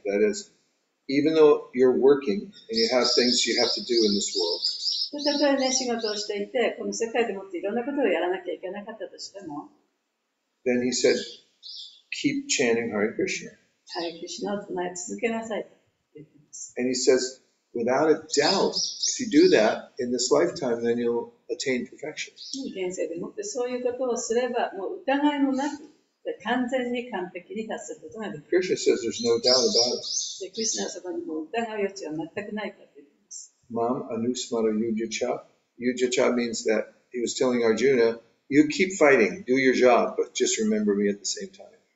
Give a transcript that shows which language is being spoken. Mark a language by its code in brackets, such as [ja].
[en] That is, even though you're working and you have things you have to do in this world, [ja] たとえね、仕事をしていて、この世界でもっていろんなことをやらなきゃいけなかったとしても、 [en] Then he said, keep chanting Hare Krishna. [ja] Hare Krishna を唱え続けなさいと言っています。 [en] And he says, without a doubt, if you do that in this lifetime, then you'll attain perfection. [ja] 現世でもってそういうことをすれば、もう疑いもなく、完全に完璧に達することができる。 [en] Krishna says there's no doubt about it. [ja] で、クリシナはそこにもう疑う余地は全くないと。 [sa] Mam anusmara yujacha. [en] Yujacha means that he was telling Arjuna, you keep fighting, do your job, but just remember me at the same time.